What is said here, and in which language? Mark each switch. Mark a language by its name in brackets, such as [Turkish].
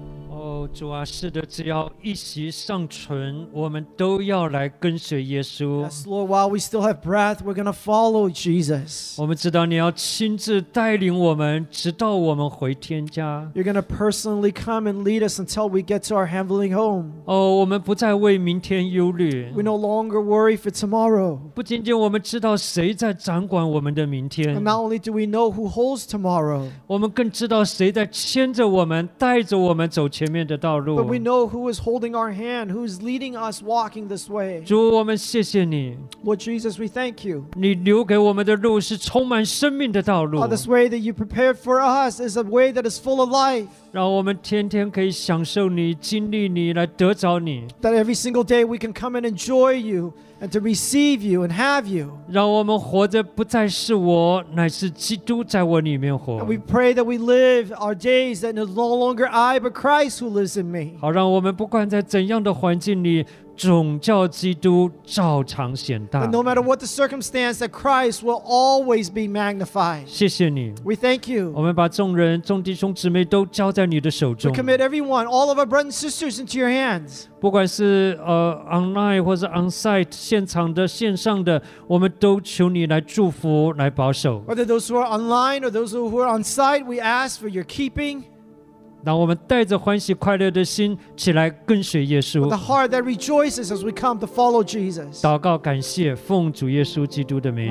[Chinese] Oh, 主啊，是的，只要一息尚存，我们都要来跟随耶稣。 [English] Yes, Lord, while we still have breath, we're going to follow Jesus. [Chinese] 我们知道你要亲自带领我们，直到我们回天家。 [English] You're going to personally come and lead us until we get to our heavenly home. [Chinese] 哦，我们不再为明天忧虑。 [English] We no longer worry for tomorrow. [Chinese] 不仅仅我们知道谁在掌管我们的明天。 [English] And not only do we know who holds tomorrow. [Chinese] 我们更知道谁在牵着我们，带着我们走前面的道路。 [English] But we know who is holding our hand, who's leading us walking this way. [Chinese] 主，我们谢谢你。 [English] Lord Jesus, we thank you. [Chinese] 你留给我们的路是充满生命的道路。 [English] This way that you prepared for us is a way that is full of life. [Chinese] 让我们天天可以享受你，经历你，来得着你。 [English] That every single day we can come and enjoy you, and to receive you and have you. [Chinese] 让我们活着不再是我，乃是基督在我里面活。 [English] And we pray that we live our days that it's no longer I, but Christ who lives in me. [Chinese] 好，让我们不管在怎样的环境里，总叫基督照常显大。 [English] No matter what the circumstance, that Christ will always be magnified. [Chinese] 谢谢你。 [English] We thank you. [Chinese] 我们把众人、众弟兄姊妹都交在你的手中。 [English] We commit everyone, all of our brothers and sisters, into your hands. [Chinese] 不管是online 或是 onsite 现场的、线上的，我们都求你来祝福、来保守。 [English] Whether those who are online or those who are onsite, we ask for your keeping. [Chinese] 让我们带着欢喜快乐的心起来跟随耶稣。 [English] With a heart that rejoices as we come to follow Jesus. [Chinese] 祷告感谢，奉主耶稣基督的名。